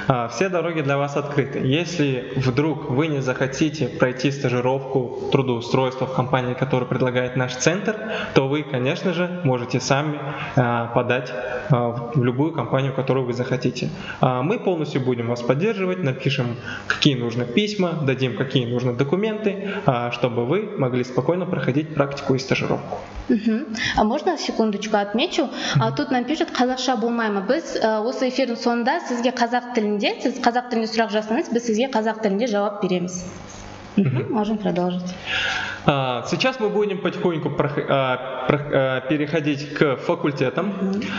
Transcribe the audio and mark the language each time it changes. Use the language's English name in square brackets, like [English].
[Russian] Все дороги для вас открыты. Если вдруг вы не захотите пройти стажировку, трудоустройство в компании, которую предлагает наш центр, то вы, конечно же, можете сами подать в любую компанию, которую вы захотите. Мы полностью будем вас поддерживать, напишем, какие нужны письма, дадим, какие нужны документы, чтобы вы могли спокойно проходить практику и стажировку. А можно секундочку отмечу? Тут нам пишут [Kazakh] «Казахша болмайма». Біз осы эфирдің соңында сізге қазақ тілінде, сіз қазақ тілінде сұрақ жасаңыз, біз сізге қазақ тілінде жауап береміз. [Russian] Можем продолжить. Сейчас мы будем потихоньку переходить к факультетам.